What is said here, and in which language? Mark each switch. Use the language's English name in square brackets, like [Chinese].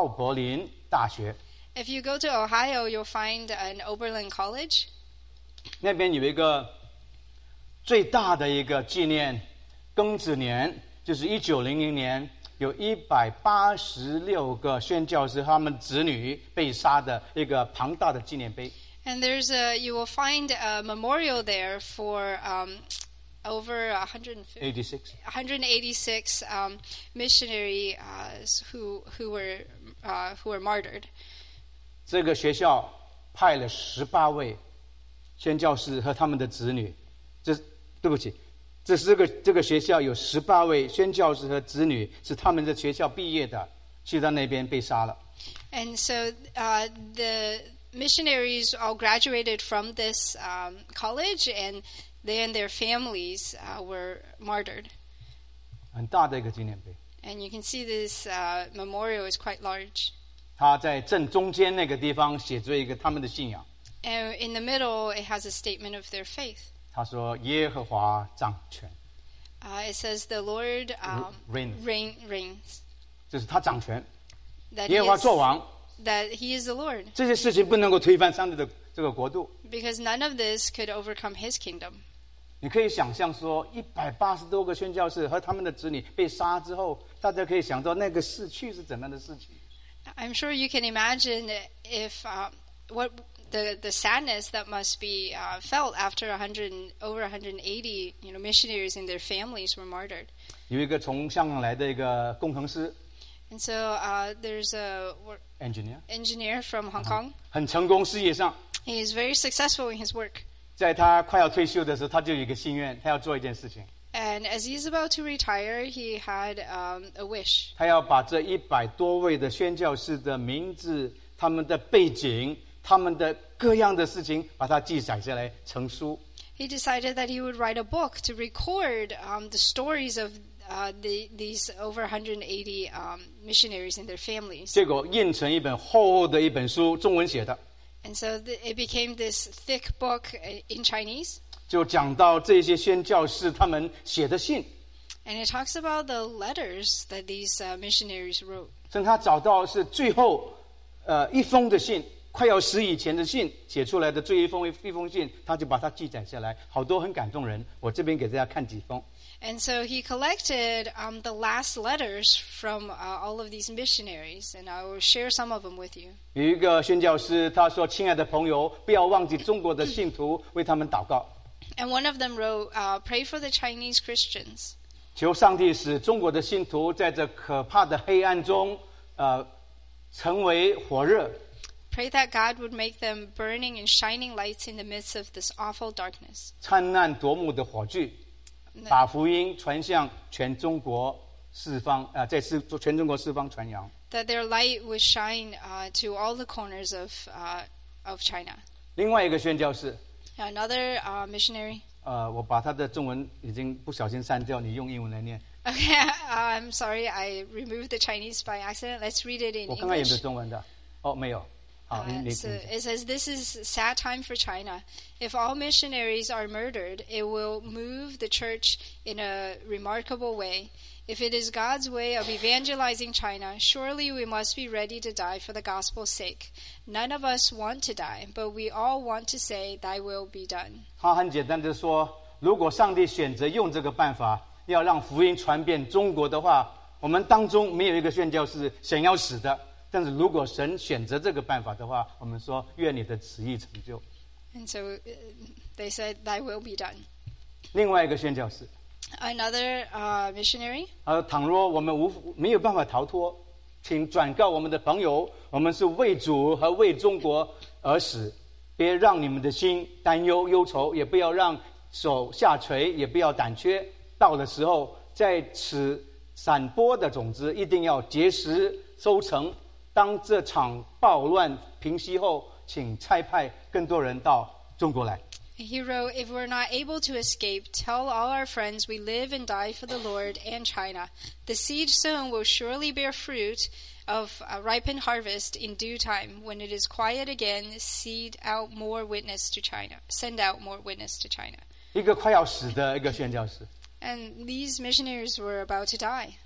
[English] If you go to Ohio, you'll find an Oberlin College. [Chinese] 那边有一个最大的一个纪念庚子年，就是1900年，有186个宣教士他们子女被杀的一个庞大的纪念碑。 [English] And there's a, you will find a memorial there for over 186 missionaries who were martyred. [Chinese] 这个学校派了18位宣教士和他们的子女，这对不起，这是这个学校有18位宣教士和子女是他们的学校毕业的，去到那边被杀了。 [English] And so, the missionaries all graduated from this college, and they and their families were martyred. [Chinese] 很大的一个纪念碑。 [English] And you can see this memorial is quite large. [Chinese] 他在正中间那个地方写着一个他们的信仰。 [English] And in the middle, it has a statement of their faith. [Chinese] 他说耶和华掌权。 [English] It says the Lord [Chinese] reigns. 这是他掌权。耶和华作王。 [English] That he is the Lord. [Chinese] 这些事情不能够推翻上帝的这个国度。 [English] Because none of this could overcome his kingdom. [Chinese] 你可以想象说180多个宣教士和他们的子女被杀之后，大家可以想到那个逝去是怎样的事情。 [English] I'm sure you can imagine the sadness that must be felt after over 180 missionaries and their families were martyred. [Chinese] 有一个从香港来的一个工程师。 [English] And so there's a engineer from Hong Kong. [Chinese] 很成功事业上。 [English] He is very successful in his work. [Chinese] 在他快要退休的时候，他就有一个心愿，他要做一件事情。 [English] And as he's about to retire, he had a wish. [Chinese] 他要把这100多位的宣教士的名字、他们的背景。他们的各样的事情把它记载下来成书。 [English] He decided that he would write a book to record the stories of these over 180 missionaries and their families. [Chinese] 结果印成一本厚厚的一本书，中文写的。 [English] And so it became this thick book in Chinese. [Chinese] 就讲到这些宣教士他们写的信。 [English] And it talks about the letters that these missionaries wrote. [Chinese] 等他找到是最后一封的信。快要死以前的信写出来的最一封信，他就把它记载下来，好多很感动人。我这边给大家看几封。 [English] And so he collected the last letters from all of these missionaries, and I will share some of them with you. [Chinese] 有一个宣教师，他说：“亲爱的朋友，不要忘记中国的信徒，为他们祷告。” [English] And one of them wrote, "Pray for the Chinese Christians." [Chinese] 求上帝使中国的信徒在这可怕的黑暗中，成为火热。 [English] Pray that God would make them burning and shining lights in the midst of this awful darkness. [Chinese] 灿烂夺目的火炬，把福音传向全中国四方啊，在全中国四方传扬。 [English] That their light would shine to all the corners of China. [Chinese] 另外一个宣教士 [English] ，another missionary. [Chinese] 我把他的中文已经不小心删掉，你用英文来念。 [English] Okay, I'm sorry. I removed the Chinese by accident. Let's read it in English. [Chinese] 我刚刚有没有中文的？哦，没有。 [English] So it says, this is a sad time for China. If all missionaries are murdered, it will move the church in a remarkable way. If it is God's way of evangelizing China, surely we must be ready to die for the gospel's sake. None of us want to die, but we all want to say, thy will be done. [Chinese] 他很简单地说，如果上帝选择用这个办法，要让福音传遍中国的话，我们当中没有一个宣教是想要死的。但是如果神选择这个办法的话，我们说愿你的旨意成就。 [English] And so they said, "Thy will be done." [Chinese] 另外一个宣教士。 [English] Another missionary. [Chinese] 倘若我们没有办法逃脱，请转告我们的朋友，我们是为主和为中国而死，别让你们的心担忧忧愁，也不要让手下垂，也不要胆怯。到了时候，在此散播的种子一定要结实收成。当这场暴乱平息后，请差派更多人到中国来。 [English] He wrote, "If we're not able to escape, tell all our friends we live and die for the Lord and China. The seed sown will surely bear fruit of a ripened harvest in due time. When it is quiet again, seed out more witness to China. Send out more witness to China." [Chinese] 一个快要死的一个宣教士。 [English] And these missionaries were about to die.